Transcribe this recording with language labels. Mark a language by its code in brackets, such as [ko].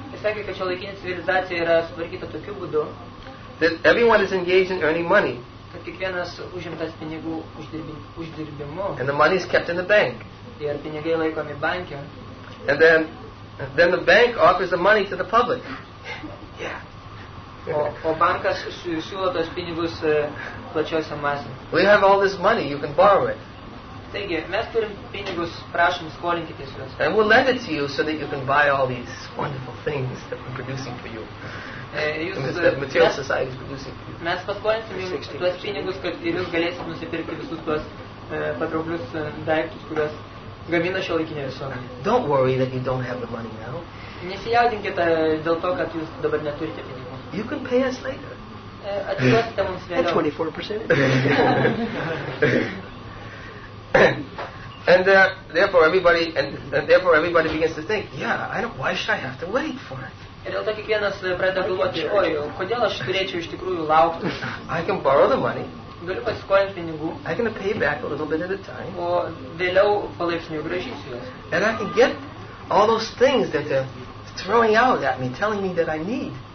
[lt] Sakė, kad šiuolaikinė civilizacija yra sutvarkyta tokiu būdu. [en] That everyone is engaged in earning money. [lt] Kad kiekvienas užimtas pinigų uždirbimu. [en] And the money is kept in the bank. [lt] Ir pinigai laikomi banke. [en] And then the bank offers the money to the public. Yeah. [lt] O bankas siūlo tos pinigus plačiosiam masėm. [en] We have all this money, you can borrow it. [lt] Taigi, mes turim pinigus, prašom skolinkitės juos. [en] And we'll lend it to you so that you can buy all these wonderful things that we're producing for you. [lt] Mes paskolinsim jums tuos pinigus, kad ir jūs galėsit nusipirkti visus tuos patrauklius daiktus, kuriuos gamina šiuolaikinė visuomenė. [en] Don't worry that you don't have the money now. [lt] Nesijaudinkit dėl to, kad jūs dabar neturite pinigų. [en] You can pay us later. [lt] Atiduosite mums vėliau. [en] 24%. And therefore everybody begins to think, yeah, why should I have to wait for it? [lt] Ir dėl to kiekvienas pradeda galvoti, oi, kodėl aš turėčiau iš tikrųjų laukti? [en] I can borrow the money. [lt] Galiu pasiskolinti pinigų. [en] I can pay back a little bit at a time. [lt] O vėliau palaipsniui grąžinsiu juos. [en] And I can get all those things that they're throwing out at me, telling me that I need.